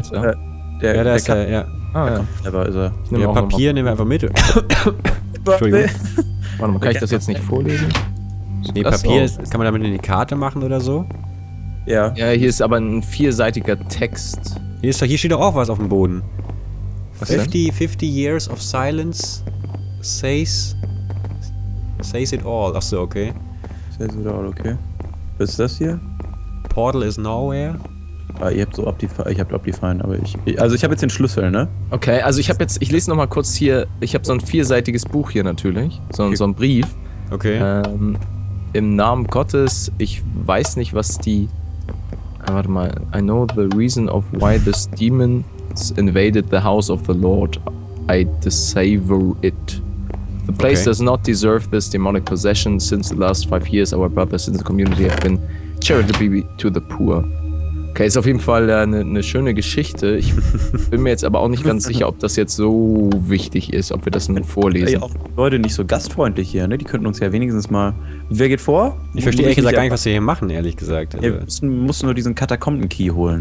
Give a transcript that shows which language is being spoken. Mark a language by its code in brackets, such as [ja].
[de] der. Ja, da der ist er. Ja. Ah, ja. Ist er. Ja, Papier nehmen wir einfach mit. Entschuldigung. Nee. Warte mal, kann ich das jetzt nicht vorlesen? Nee, Papier, kann man damit in die Karte machen oder so? Ja. Ja, hier ist aber ein vierseitiger Text. Hier steht doch auch was auf dem Boden. [en] Was 50 years of silence says it all. [de] Ach so, okay. Was ist das hier? [en] Portal is nowhere. [de] Ah, ihr habt so Optifine. Ich hab Optifine, aber ich hab jetzt den Schlüssel, ne? Okay, also ich lese nochmal kurz hier. Ich hab so ein vierseitiges Buch hier natürlich. So ein Brief. Okay. Im Namen Gottes, ich weiß nicht, was die. Warte mal. [en] I know the reason of why this demon invaded the house of the Lord. I desavour it. The place does not deserve this demonic possession. Since the last 5 years, our brothers in the community have been charitably to the poor. [de] Okay, ist auf jeden Fall eine schöne Geschichte. Ich bin mir jetzt aber auch nicht ganz sicher, ob das jetzt so wichtig ist, ob wir das nun vorlesen. Ja, auch Leute nicht so gastfreundlich hier, ne? Die könnten uns ja wenigstens mal... Wer geht vor? Ich verstehe ehrlich gesagt gar nicht, was wir hier machen, ehrlich gesagt. Wir müssen nur diesen Katakomben-Key holen.